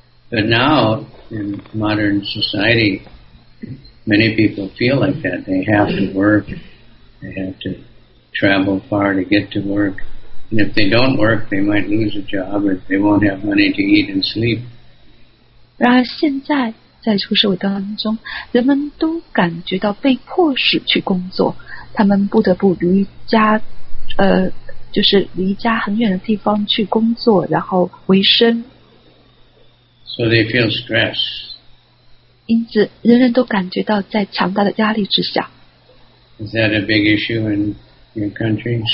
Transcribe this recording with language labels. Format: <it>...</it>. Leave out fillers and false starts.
<en>But now, in modern society, many people feel like that. They have to work. They have to travel far to get to work. And if they don't work, they might lose a job or they won't have money to eat and sleep.</en> <zh>然而现在，在出社会当中，人们都感觉到被迫使去工作，他们不得不离家，就是离家很远的地方去工作，然后维生。</zh> <en>So they feel stress.</en> <zh>因此，人人都感觉到在强大的压力之下。</zh> <en>Is that a big issue in your country?</en>